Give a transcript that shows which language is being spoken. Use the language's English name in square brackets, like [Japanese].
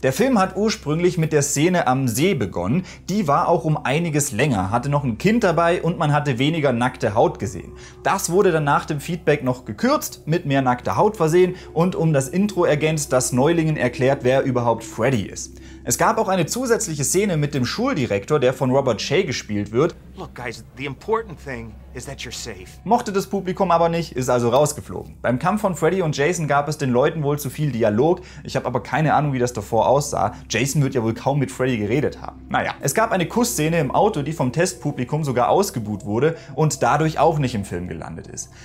[German] Der Film hat ursprünglich mit der Szene am See begonnen, die war auch um einiges länger, hatte noch ein Kind dabei und man hatte weniger nackte Haut gesehen. Das wurde dann nach dem Feedback noch gekürzt, mit mehr nackter Haut versehen und um das Intro ergänzt, das Neulingen erklärt, wer überhaupt Freddy ist. Es gab auch eine zusätzliche Szene mit dem Schuldirektor, der von Robert Shay gespielt wird. [English] Look guys, the important thing is that you're safe. [German] Mochte das Publikum aber nicht, ist also rausgeflogen. Beim Kampf von Freddy und Jason gab es den Leuten wohl zu viel Dialog. Ich habe aber keine Ahnung, wie das davor aussah. Jason wird ja wohl kaum mit Freddy geredet haben. Naja, es gab eine Kussszene im Auto, die vom Testpublikum sogar ausgebuht wurde und dadurch auch nicht im Film gelandet ist.